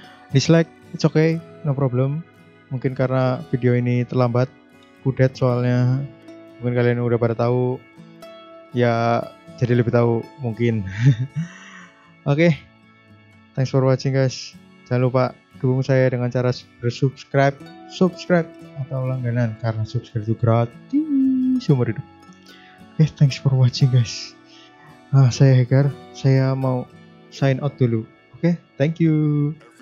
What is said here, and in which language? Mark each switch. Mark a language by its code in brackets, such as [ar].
[en] Dislike, it's okay, no problem. [id] Mungkin karena video ini terlambat, kudet soalnya. Mungkin kalian udah pada tahu. Ya, jadi lebih tahu mungkin. Oke. Okay. [en] Thanks for watching, guys. [id] Jangan lupa dukung saya dengan cara subscribe, subscribe atau langganan, karena subscribe itu gratis seumur hidup. [en] Okay, thanks for watching, guys. [id] Nah, saya Hegar, saya mau sign out dulu. [en] Oke, okay? Thank you.